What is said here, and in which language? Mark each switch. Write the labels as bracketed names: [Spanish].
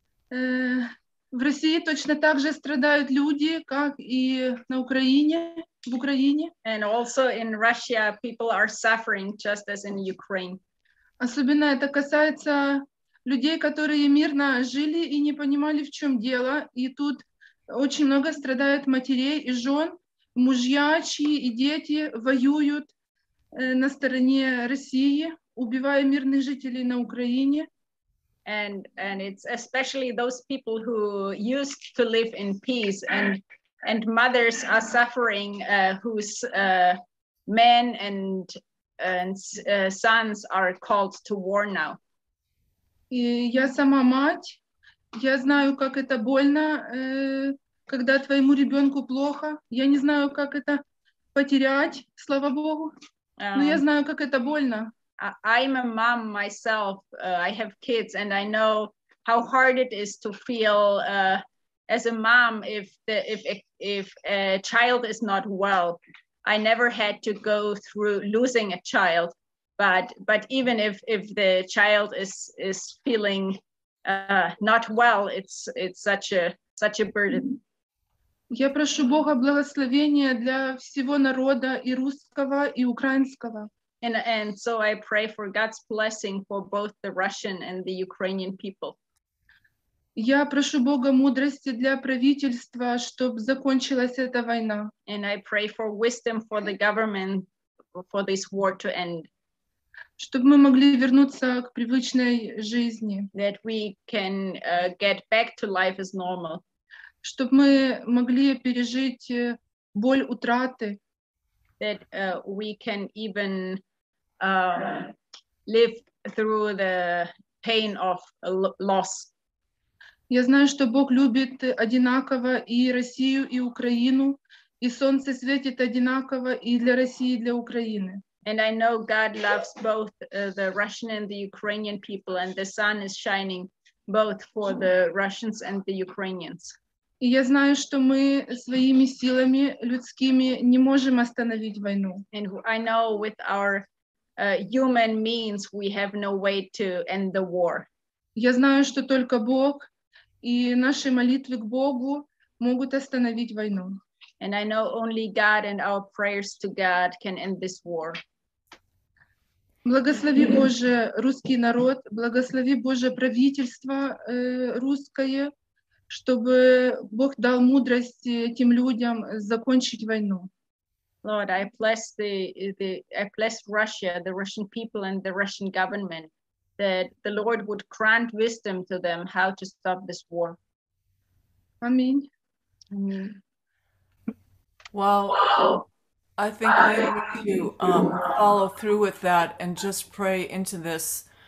[Russian] В России точно так же страдают люди, как и на Украине, в Украине. [English] And also in Russia, people are suffering just as in Ukraine. [Russian] Особенно это касается людей, которые мирно жили и не понимали, в чем дело. И тут очень много страдают матерей и жен, мужья, чьи и дети воюют на стороне России, убивая мирных жителей на Украине. [English] And it's especially those people who used to live in peace and mothers are suffering whose men and sons are called to war now. [Russian] И я сама мать. Я знаю, как это больно, когда твоему ребенку плохо. Я не знаю, как это потерять, слава Богу. Но я знаю, как это больно. [English] I'm a mom myself. I have kids, and I know how hard it is to feel as a mom if a child is not well. I never had to go through losing a child, but even if the child is feeling not well, it's such a burden. [Russian] Я прошу Бога благословения для всего народа и русского и украинского. [English] And so I pray for God's blessing for both the Russian and the Ukrainian people. [Russian] Я прошу Бога мудрости для правительства, чтобы закончилась эта война. [English] And I pray for wisdom for the government for this war to end. [Russian] Чтобы мы могли вернуться к привычной жизни. [English] That we can get back to life as normal. [Russian] Чтобы мы могли пережить боль утраты. [English] That we can even live through the pain of loss. [Ukrainian] Я знаю, що Бог любить одинаково і Росію, і Україну, і сонце світить одинаково і для Росії, і для України. [English] And I know God loves both the Russian and the Ukrainian people, and the sun is shining both for the Russians and the Ukrainians. [Ukrainian] І я знаю, що ми своїми силами людськими не можемо остановити війну. [English] And I know with our human means we have no way to end the war. [Ukrainian] Я знаю, що тільки Бог і наші молитви к Богу можуть остановити війну. [English] And I know only God and our prayers to God can end this war. [Russian] Благослови Боже русский народ, благослови Боже правительство русское, чтобы Бог дал мудрость этим людям закончить войну. [English] Lord, I bless I bless Russia, the Russian people and the Russian government, that the Lord would grant wisdom to them how to stop this war. Amen. Amen. Well, I think we need to follow through with that and just pray into this.